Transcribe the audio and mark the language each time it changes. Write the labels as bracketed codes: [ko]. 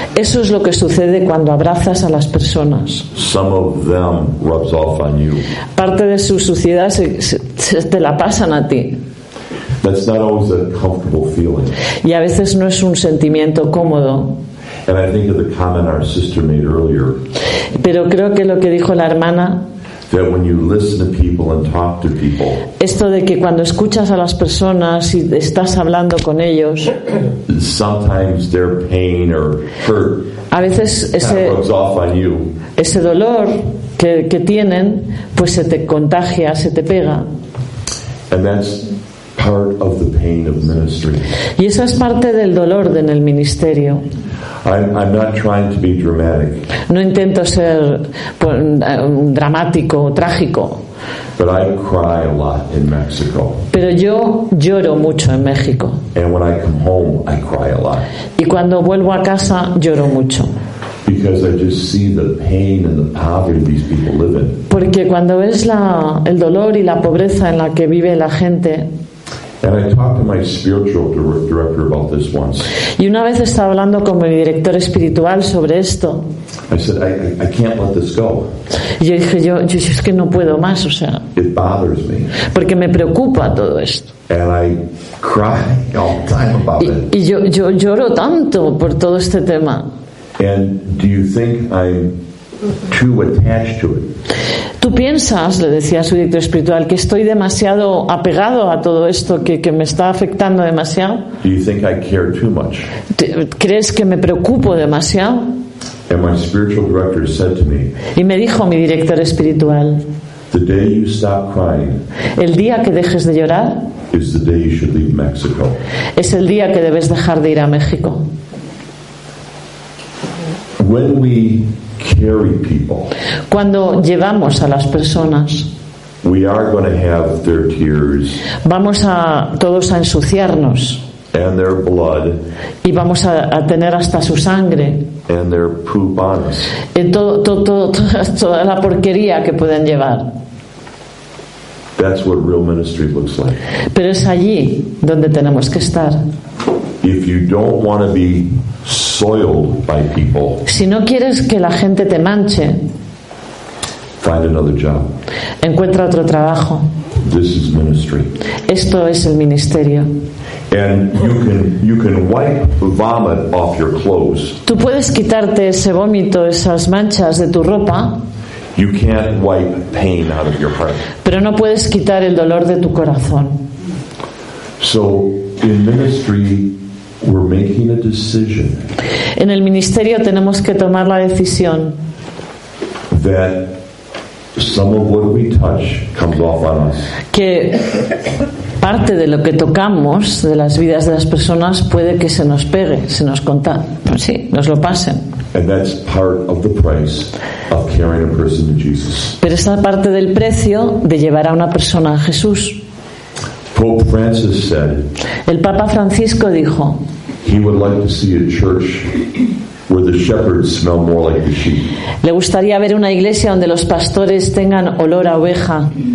[es] Eso es lo que sucede cuando abrazas a las personas. [en] Some of them rubs off on you. [es] Parte de su suciedad se te la pasan a ti. [en] That's not always a comfortable feeling. [es] Y a veces no es un sentimiento cómodo. [en] And I think of the comment our sister made earlier. [es] Pero creo que lo que dijo la hermana, [en] that when you listen to people and talk to people, [es] esto de que cuando escuchas a las personas y estás hablando con ellos, [en] sometimes their pain or hurt, [es] a veces ese, [en] kind of rubs off on you. [es] Ese dolor que tienen, pues se te contagia, se te pega. [en] And that's part of the pain of ministry. [es] Y eso es parte del dolor en el ministerio. [en] I'm not trying to be dramatic. [es] No intento ser dramático o trágico. [en] But I cry a lot in Mexico. [es] Pero yo lloro mucho en México. [en] And when I come home, I cry a lot. [es] Y cuando vuelvo a casa, lloro mucho. [en] Because I just see the pain and the poverty these people live in. [es] Porque cuando ves el dolor y la pobreza en la que vive la gente. [en] And I talked to my spiritual director about this once. [es] Y una vez estaba hablando con mi director espiritual sobre esto. [en] I said, I can't let this go. [es] Yo dije, yo es que no puedo más, o sea. [en] It bothers me. [es] Porque me preocupa todo esto. [en] And I cry all the time about it. [es] Y yo lloro tanto por todo este tema. [en] And do you think I'm too attached to it? [es] ¿Tú piensas, le decía a su director espiritual, que estoy demasiado apegado a todo esto, que me está afectando demasiado? [en] Do you think I care too much? [es] ¿Crees que me preocupo demasiado? [en] And my spiritual director said to me, [es] y me dijo mi director espiritual, [en] the day you stop crying, [es] el día que dejes de llorar, [en] is the day you should leave Mexico. [es] Es el día que debes dejar de ir a México. [en] When we carry people, [es] cuando llevamos a las personas, [en] we are going to have their tears. [es] Vamos a todos a ensuciarnos. [en] and their blood, [es] y vamos a tener hasta su sangre, [en] and their poop on us. [es] Y toda la porquería que pueden llevar. [en] That's what real ministry looks like. [es] Pero es allí donde tenemos que estar. [en] If you don't want to be soiled by people, [es] si no quieres que la gente te manche, [en] find another job. [es] Encuentra otro trabajo. [en] This is ministry. [es] Esto es el ministerio. [en] And you can wipe vomit off your clothes. [es] Tú puedes quitarte ese vómito, esas manchas de tu ropa. [en] You can't wipe pain out of your heart. [es] Pero no puedes quitar el dolor de tu corazón. [en] So in ministry, we're making a decision. [es] En el ministerio tenemos que tomar la decisión. [en] That some of what we touch comes off on us. [es] Que parte de lo que tocamos de las vidas de las personas puede que se nos pegue, se nos conta, pues sí, nos lo pasen. [en] And that's part of the price of carrying a person to Jesus. [es] Pero esa parte del precio de llevar a una persona a Jesús. [en] Pope Francis said, [es] el Papa Francisco dijo, [en] he would like to see a church where the shepherds smell more like the sheep. [es] Le gustaría ver una iglesia donde los pastores tengan olor a oveja.